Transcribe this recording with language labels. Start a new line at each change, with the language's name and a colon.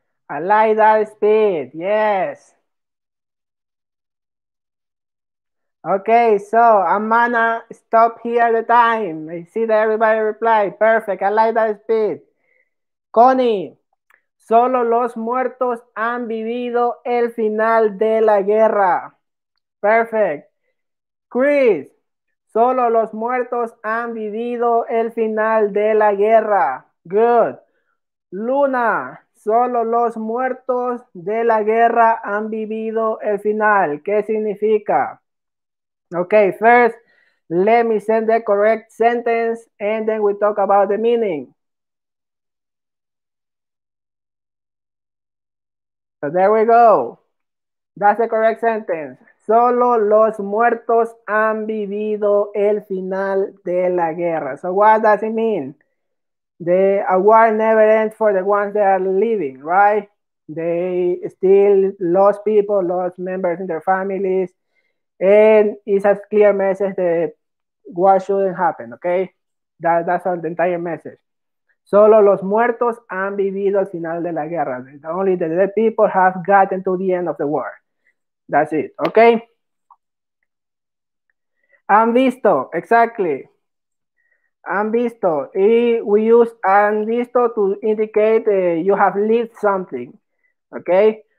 English: I like that speed, yes. Okay, so I'm gonna stop here the time. I see that everybody replied. Perfect, I like that speed. Connie.
Spanish: Solo los muertos han vivido el final de la guerra. Perfect. Chris, solo los muertos han vivido el final de la guerra. Good. Luna, solo los muertos de la guerra han vivido el final. ¿Qué significa?
English: Okay, first, Let me send the correct sentence and then we talk about the meaning. So there we go. That's the correct sentence.
Spanish: Solo los muertos han vivido el final de la guerra.
English: So what does it mean? The war never ends for the ones that are living, right? They still lost people, lost members in their families. And it's a clear message that war shouldn't happen, okay? That's all, the entire message.
Spanish: Solo los muertos han vivido el final de la guerra.
English: Only the dead people have gotten to the end of the war. That's it, okay?
Spanish: Han visto, exactly. Han visto.
English: We use han visto to indicate you have lived something, okay?